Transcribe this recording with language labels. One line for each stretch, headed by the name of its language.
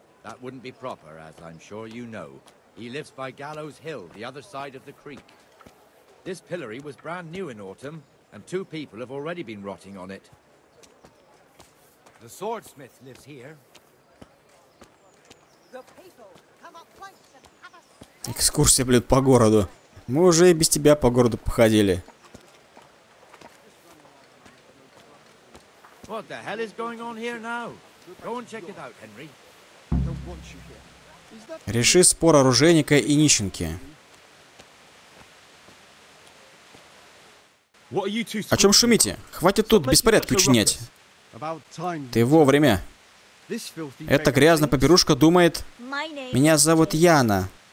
English: That wouldn't be proper, as I'm sure you know. He lives by Gallows Hill, the other side of the creek. This pillory was brand new in autumn, and two people have already been rotting on it. The swordsmith lives here. The people come up close and have a...
Russian: Экскурсия, блин, по городу. Мы уже и без тебя по городу походили.
English: What the hell is going on here now? Go and check it out, Henry.
Russian: Реши спор оружейника и нищенки. О чем шумите? Хватит тут беспорядки учинять. Ты вовремя. Эта грязная поберушка думает... Меня зовут Яна.